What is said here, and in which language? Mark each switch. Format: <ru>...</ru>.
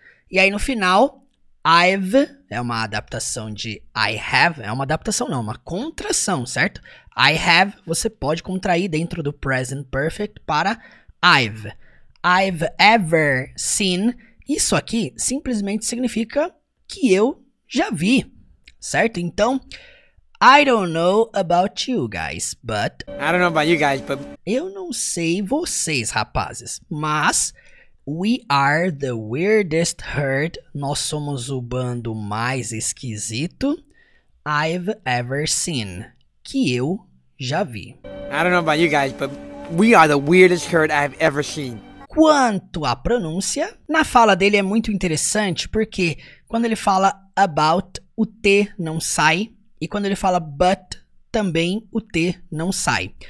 <pt>E aí no final, I've é uma adaptação de I have. É uma adaptação não, uma contração, certo? I have, você pode contrair dentro do present perfect para I've.</pt> <en>I've ever seen.</en> <pt>Isso aqui simplesmente significa que eu já vi, certo?</pt> <en>Então, I don't know about you guys, but... I don't know about you guys, but...</en> <pt>Eu não sei vocês, rapazes, mas...</pt> <en>We are the weirdest herd.</en> <pt>Nós somos o bando mais esquisito</pt> <en>I've ever seen.</en> <pt>Que eu já vi.</pt> <en>I don't know about you guys, but we are the weirdest herd I've ever seen.</en> <pt>Quanto à pronúncia, na fala dele é muito interessante porque quando ele fala about, o T não sai. E quando ele fala but, também o T não sai.</pt>